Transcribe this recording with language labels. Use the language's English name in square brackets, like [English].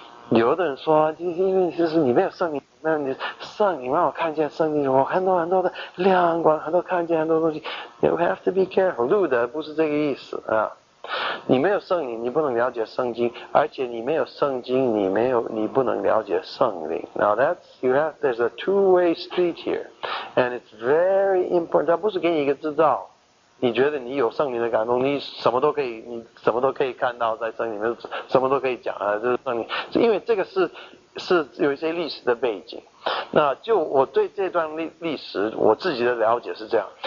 [Chinese] 有的人说，因为就是你没有圣灵，那你圣灵让我看见圣灵，我很多很多的亮光，很多看见很多东西。 You have to be careful，路德不是这个意思啊。你没有圣灵，你不能了解圣经，而且你没有圣经，你不能了解圣灵。 [English] Now that's you have there's a two-way street here， and it's very important。 [Chinese] 它不是给你一个制造。你觉得你有圣灵的感动，你什么都可以看到在圣灵里面，什么都可以讲啊，就是圣灵。因为这个是有一些历史的背景。那就我对这段历史我自己的了解是这样。